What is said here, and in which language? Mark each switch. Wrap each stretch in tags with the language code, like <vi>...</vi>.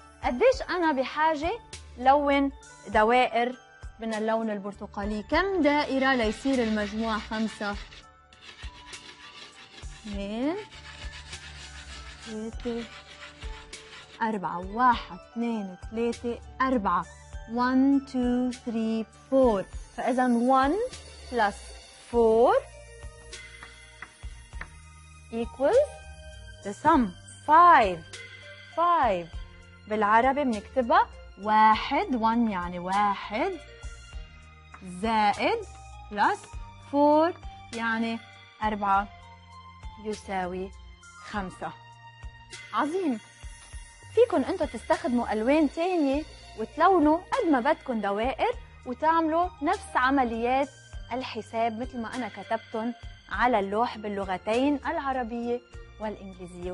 <ar>قديش أنا بحاجة لون دوائر من اللون البرتقالي؟ كم دائرة ليصير المجموع 5؟ 2 3 4. 1 2 3 4. 1 2 3 4.</ar> <en>فإذا 1 plus 4 equals the sum 5.</en> <ar>بالعربي بنكتبها 1 يعني 1 زائد plus 4 يعني 4 يساوي 5. عظيم. فيكن انتو تستخدموا الوان تانية وتلونوا قد ما بدكن دوائر وتعملوا نفس عمليات الحساب مثل ما انا كتبتن على اللوح باللغتين العربية والانجليزية.</ar>